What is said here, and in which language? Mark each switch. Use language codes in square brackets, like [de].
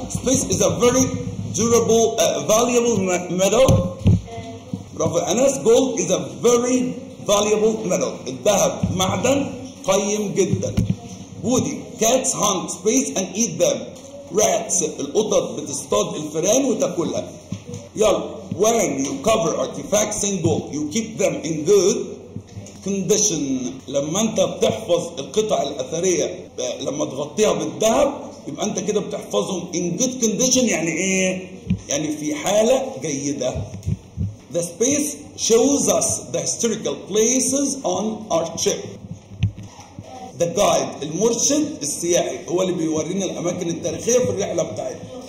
[en] space is a very durable valuable metal. [ar] برافو أنس. [en] gold is a very valuable metal. [ar] الذهب معدن قيم جدا. [en] Woody, cats hunt space and eat them. [ar] Rats, القطط بتصطاد الفيران وتاكلها. يلا. [en] When you cover artifacts in gold, you keep them in good condition. [ar] لما انت بتحفظ القطع الأثرية لما تغطيها بالذهب يبقى انت كده بتحفظهم [en] in good condition. [ar] يعني ايه؟ يعني في حالة جيدة. [en] The space shows us the historical places on our trip. The guide, [ar] المرشد السياحي، هو اللي بيورينا الأماكن التاريخية في الرحلة بتاعتنا.